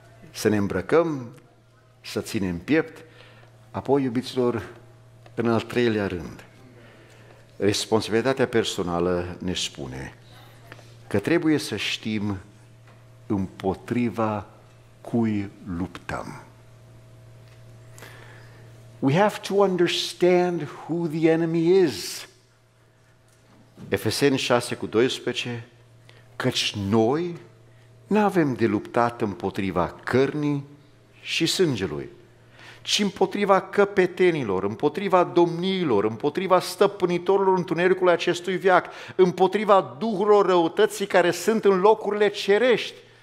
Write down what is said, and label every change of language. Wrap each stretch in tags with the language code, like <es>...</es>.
<ro>Să ne îmbrăcăm, să ținem piept, apoi, iubiților, în al treilea rând, responsabilitatea personală ne spune că trebuie să știm împotriva cui luptăm.</ro> <en>We have to understand who the enemy is.</en> <ro>Efeseni 6:12, căci noi nu avem de luptat împotriva cărnii și sângelui, ci împotriva căpetenilor, împotriva domniilor, împotriva stăpânitorilor întunericului acestui veac, împotriva duhurilor răutății care sunt în locurile cerești.</ro>